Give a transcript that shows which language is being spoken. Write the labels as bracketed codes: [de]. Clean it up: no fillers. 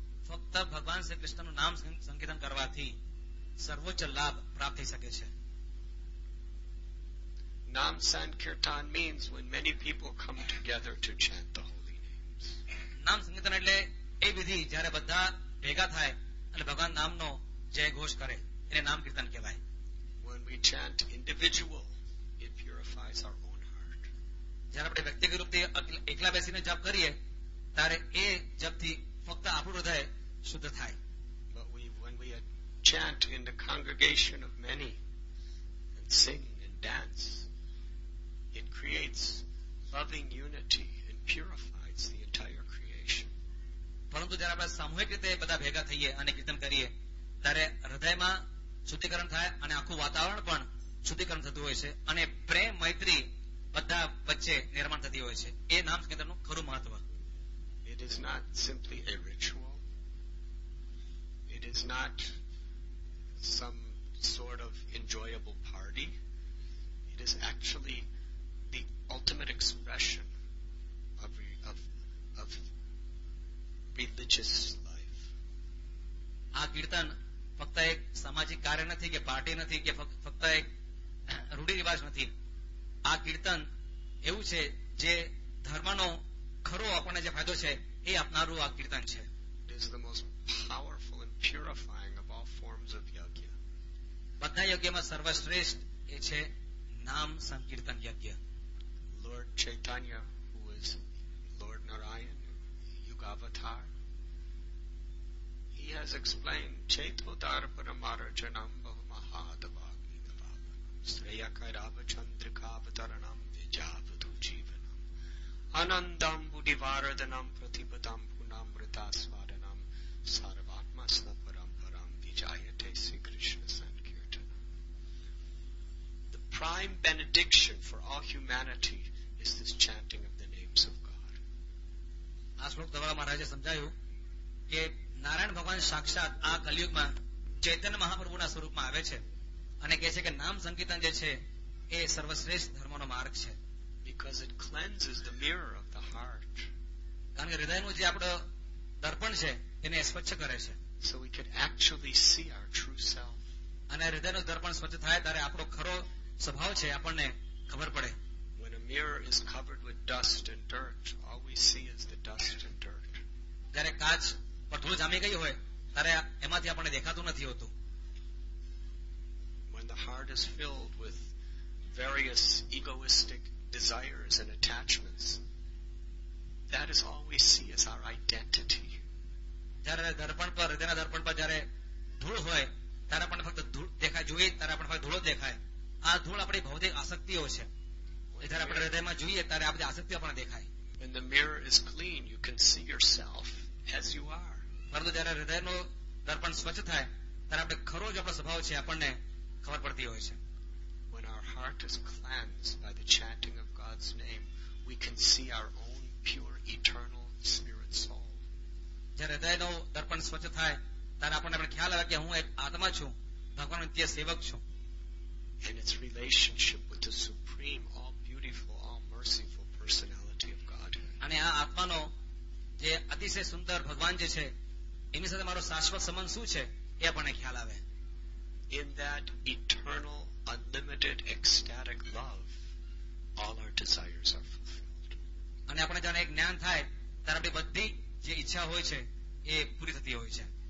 [gu] ફક્ત ભગવાન શ્રી કૃષ્ણનું નામ સંકીર્તન કરવાથી સર્વોચ્ચ લાભ પ્રાપ્ત થઈ શકે છે. [en] Nam Sankirtan means when many people come together to chant the [gu] નામ સંકીર્તન એટલે એ વિધિ જયારે બધા ભેગા થાય અને ભગવાન નામનો જય ઘોષ કરે એને નામ કીર્તન કહેવાય. [en] When we chant individual, it purifies our own heart. [gu] જયારે આપણે વ્યક્તિગત રૂપથી એકલા બેસીને જપ કરીએ ત્યારે એ જપથી ફક્ત આપણું હૃદય શુદ્ધ થાય. [en] But when we chant in the congregation of many and sing and dance, it creates loving unity and purifies the entire. [gu] પરંતુ જયારે આપણે સામૂહિક રીતે બધા ભેગા થઈએ અને કીર્તન કરીએ ત્યારે હૃદયમાં શુદ્ધિકરણ થાય અને આખું વાતાવરણ પણ શુદ્ધિકરણ થતું હોય છે અને પ્રેમ મૈત્રી બધા વચ્ચે નિર્માણ થતી હોય છે. એ નામ સંકીર્તનનું ખરું મહત્વ. [en] It is not simply a ritual, it is not some sort of enjoyable party, it is actually the ultimate expression of religious life. [gu] આ કીર્તન ફક્ત એક સામાજિક કાર્ય નથી કે પાર્ટી નથી કે ફક્ત એક રૂઢિરિવાજ નથી. આ કીર્તન એવું છે જે ધર્મનો ખરો આપણને જે ફાયદો છે એ આપનારું આ કીર્તન છે. [en] It is the most powerful and purifying of all forms of yagya. [gu] બધા યજ્ઞમાં સર્વશ્રેષ્ઠ એ છે નામ સંકીર્તન યજ્ઞ. [en] Lord Chaitanya, who is Lord Narayan, Avatar, he has explained [sa] Cheto Darparamara Janamba Mahadavagnivam Sreyakarava Chandrikavataranam Vijavadu Jivanam Anandam Budivaradanam Pratipadam Punamritasvadanam Sarvatma Snaparamparam Vijayate Sri Krishna Sankirtanam. [en] The prime benediction for all humanity is this chanting of the names of God. [gu] આ શ્લોક દ્વારા મહારાજે સમજાવ્યું કે નારાયણ ભગવાન સાક્ષાત આ કલયુગમાં ચૈતન્ય મહાપ્રભુના સ્વરૂપમાં આવે છે અને કહે છે કે નામ સંકીર્તન જે છે એ સર્વશ્રેષ્ઠ ધર્મનો માર્ગ છે. [en] Because it cleanses the mirror of the heart. [gu] કારણ કે હૃદયનું જે આપણું દર્પણ છે એને સ્વચ્છ કરે છે. [en] So we could actually see our true self. [gu] અને હૃદયનું દર્પણ સ્વચ્છ થાય ત્યારે આપણો ખરો સ્વભાવ છે આપણને ખબર પડે. [en] When a mirror is covered with dust and dirt, all we see is the dust and dirt. [gu] જ્યારે કાચ પર ધૂળ જામી ગઈ હોય ત્યારે એમાંથી આપણને દેખાતું નથી હોતું. [en] When the heart is filled with various egoistic desires and attachments, that is all we see as our identity. [gu] જ્યારે દર્પણ પર હૃદયના દર્પણ પર જયારે ધૂળ હોય ત્યારે આપણને ફક્ત ધૂળ દેખાય, જોઈએ ત્યારે આપણને ફક્ત ધૂળો દેખાય. આ ધૂળ આપણી ભૌતિક આસક્તિઓ છે. જયારે આપણે હૃદયમાં જોઈએ ત્યારે આ બધી આસક્તિઓ આપણને દેખાય. [en] When the mirror is clean, you can see yourself as you are. [gu] પરંતુ જયારે હૃદયનું દર્પણ સ્વચ્છ થાય ત્યારે આપણે ખરો જ આપણો સ્વભાવ છે આપણને ખબર પડતી હોય છે. [en] When our heart is cleansed by the chanting of God's name, we can see our own pure, eternal spirit soul. [gu] જ્યારે હૃદયનું દર્પણ સ્વચ્છ થાય ત્યારે આપણને આપણે ખ્યાલ આવે કે હું એક આત્મા છું, ભગવાન નિત્ય સેવક છું. [en] And its relationship with the supreme, all beautiful, all merciful personality of God. [gu] અને આ આત્માનો જે અતિશય સુંદર ભગવાન જે છે એની સાથે મારો શાશ્વત સંબંધ શું છે એ આપણને ખ્યાલ આવે. [en] In that eternal, unlimited, ecstatic love, all our desires are fulfilled. [gu] અને આપણે જાણે એક જ્ઞાન થાય ત્યારે આપણી બધી જે ઈચ્છા હોય છે એ પૂરી થતી હોય છે.